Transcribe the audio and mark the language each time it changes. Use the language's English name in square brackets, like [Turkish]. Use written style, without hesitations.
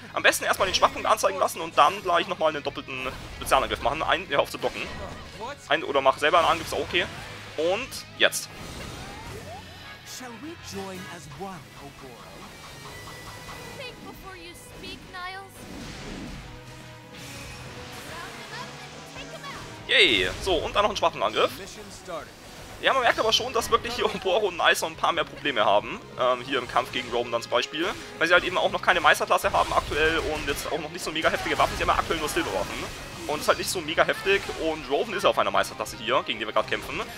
[German] Am besten erstmal den Schwachpunkt anzeigen lassen und dann gleich nochmal einen doppelten Spezialangriff machen. Einen, ja, auf zu blocken. Einen oder mach selber einen Angriff, ist auch okay. Und jetzt. [English] Shall we join as one, Ogoro? Think before you speak, Niles. Yay! [German] So, und dann noch ein Schwachpunktangriff. Ja, man merkt aber schon, dass wirklich hier Ogoro und Nice ein paar mehr Probleme haben. Hier im Kampf gegen Roven dann zum Beispiel. Weil sie halt eben auch noch keine Meisterklasse haben aktuell und jetzt auch noch nicht so mega heftige Waffen. Sie haben ja aktuell nur Silberwaffen. Und ist halt nicht so mega heftig und Roven ist auf einer Meisterklasse hier, gegen die wir gerade kämpfen.